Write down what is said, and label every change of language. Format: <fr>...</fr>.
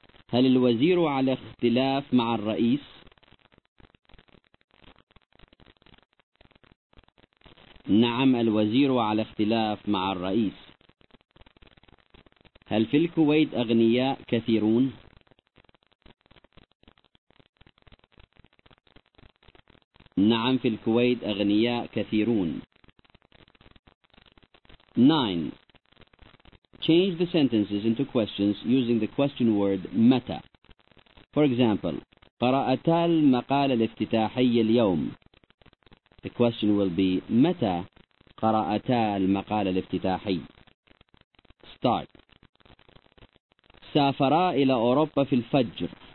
<ar>هل الوزير على اختلاف مع الرئيس؟ نعم الوزير على اختلاف مع الرئيس. هل في الكويت أغنياء كثيرون؟ نعم في الكويت أغنياء كثيرون.</ar> <en>9. Change the sentences into questions using the question word متى. For example,</en> <ar>قرأتا المقالة الافتتاحية اليوم.</ar> <en>The question will be</en> <ar>متى قرأتا المقالة الافتتاحية.</ar> <en>Start.</en> <ar>سافرا إلى أوروبا في الفجر.</ar>